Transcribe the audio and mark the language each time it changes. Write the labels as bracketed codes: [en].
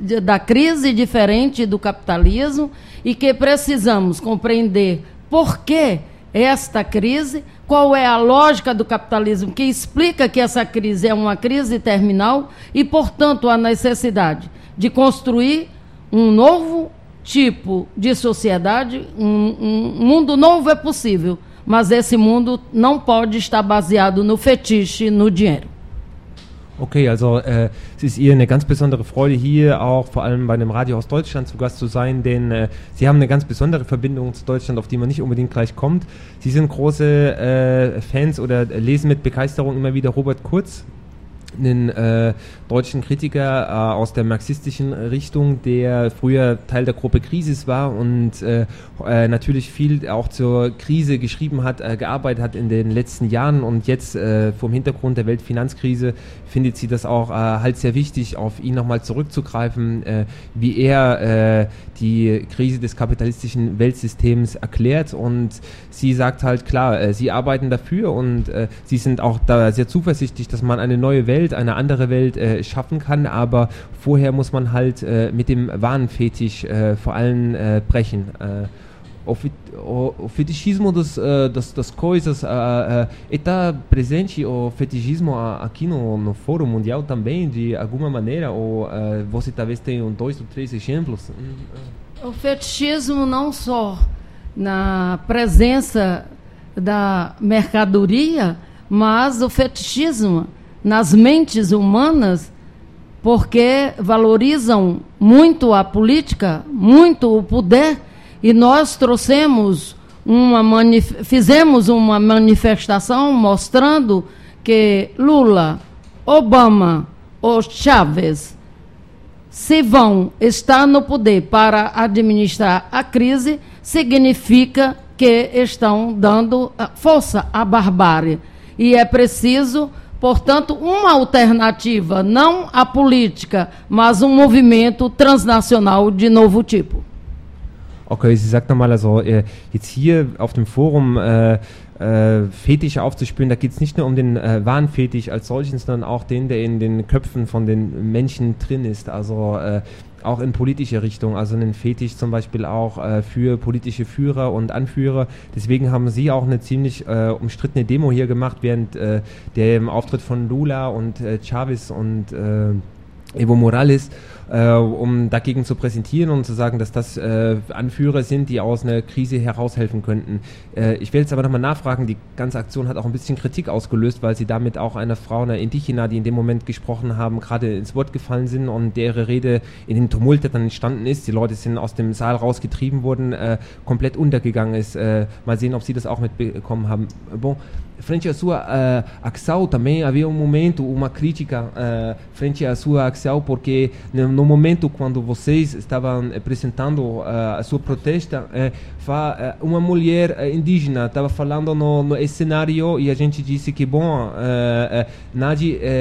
[pt] da crise diferente do capitalismo e que precisamos compreender por que esta crise, qual é a lógica do capitalismo que explica que essa crise é uma crise terminal e, portanto, a necessidade de construir um novo tipo de sociedade, um mundo novo é possível, mas esse mundo não pode estar baseado no fetiche, no dinheiro. [de] Okay, also es ist ihr eine ganz besondere Freude, hier auch vor allem bei einem Radio aus Deutschland zu Gast zu sein, denn sie haben eine ganz besondere Verbindung zu Deutschland, auf die man nicht unbedingt gleich kommt. Sie sind große Fans oder lesen mit Begeisterung immer wieder Robert Kurz, einen deutschen Kritiker aus der marxistischen Richtung, der früher Teil der Gruppe Krisis war und natürlich viel auch zur Krise geschrieben hat, gearbeitet hat in den letzten Jahren, und jetzt vom Hintergrund der Weltfinanzkrise findet sie das auch halt sehr wichtig, auf ihn nochmal zurückzugreifen, wie er die Krise des kapitalistischen Weltsystems erklärt. Und sie sagt halt, klar, sie arbeiten dafür und sie sind auch da sehr zuversichtlich, dass man eine neue Welt, eine andere Welt schaffen kann, aber vorher muss man halt mit dem Wahnfetisch vor allem brechen. [pt] O fetichismo das coisas está presente, o fetichismo aqui no Fórum Mundial também, de alguma maneira, ou você talvez tenha dois ou três exemplos? O fetichismo não só na presença da mercadoria, mas o fetichismo nas mentes humanas, porque valorizam muito a política, muito o poder, e nós trouxemos fizemos uma manifestação mostrando que Lula, Obama ou Chávez, se vão estar no poder para administrar a crise, significa que estão dando força à barbárie. E é preciso, portanto, uma alternativa, não a política, mas um movimento transnacional de novo tipo. [de] Okay, sie sagt nochmal, also jetzt hier auf dem Forum Fetisch aufzuspüren, da geht es nicht nur um den Wahnfetisch als solchen, sondern auch den, der in den Köpfen von den Menschen drin ist, also auch in politische Richtung, also einen Fetisch zum Beispiel auch für politische Führer und Anführer. Deswegen haben sie auch eine ziemlich umstrittene Demo hier gemacht, während dem Auftritt von Lula und Chavez und Evo Morales, um dagegen zu präsentieren und zu sagen, dass das Anführer sind, die aus einer Krise heraushelfen könnten. Ich will jetzt aber nochmal nachfragen, die ganze Aktion hat auch ein bisschen Kritik ausgelöst, weil sie damit auch einer Frau, einer Indigena, die in dem Moment gesprochen haben, gerade ins Wort gefallen sind und deren Rede in den Tumult, der dann entstanden ist, die Leute sind aus dem Saal rausgetrieben worden, komplett untergegangen ist. Mal sehen, ob sie das auch mitbekommen haben. [pt] Bon. Frente à sua ação, também havia um momento, uma crítica frente à sua ação, porque no momento quando vocês estavam apresentando a sua protesta, uma mulher indígena estava falando no cenário, e a gente disse que, bom, Nadi,